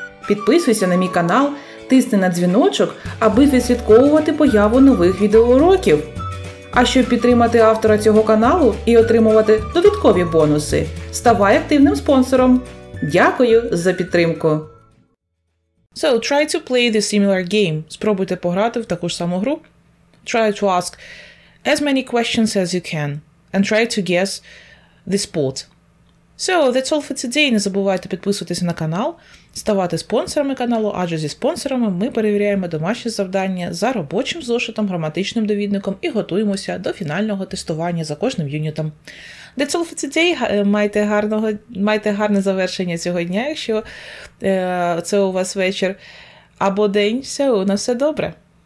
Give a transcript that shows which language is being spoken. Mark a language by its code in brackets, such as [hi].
[uk] Підписуйся на мій канал, тисни на дзвіночок, аби відслідковувати появу нових відеоуроків. А щоб підтримати автора цього каналу і отримувати додаткові бонуси, ставай активним спонсором. Дякую за підтримку. [en] So, try to play the similar game. [uk] Спробуйте пограти в таку ж саму гру. [en] Try to ask as many questions as you can and try to guess the sport. So, that's all for today. [uk] Не забувайте підписуватися на канал, ставати спонсорами каналу, адже зі спонсорами ми перевіряємо домашні завдання за робочим зошитом, граматичним довідником і готуємося до фінального тестування за кожним юнітом. [en] That's all for today. [uk] Майте гарне завершення цього дня, якщо це у вас вечір або день. Все, на все добре!